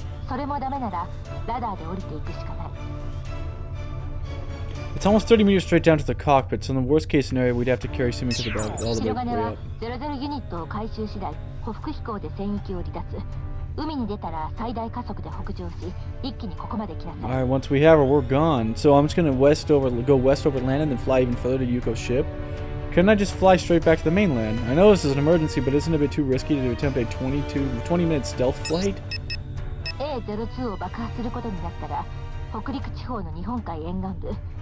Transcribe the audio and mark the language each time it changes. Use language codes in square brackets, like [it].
[ja] それもダメならラダーで降りていくしかない。 [en] It's almost 30 meters straight down to the cockpit, so in the worst case scenario, we'd have to carry Simi to the boat. All the way up. [ja] 00 unit を回収次第、匍匐飛行で戦域を離脱。海に出たら最大加速で北上し、一気にここまで来なさい。 [en] All right, once we have her, we're gone. So I'm just gonna go west over land and then fly even further to Yuko's ship. Couldn't I just fly straight back to the mainland? I know this is an emergency, but isn't it a bit too risky to attempt a 20-minute stealth flight? [ja] A-02 を爆破することになったら、北陸地方の日本海沿岸部。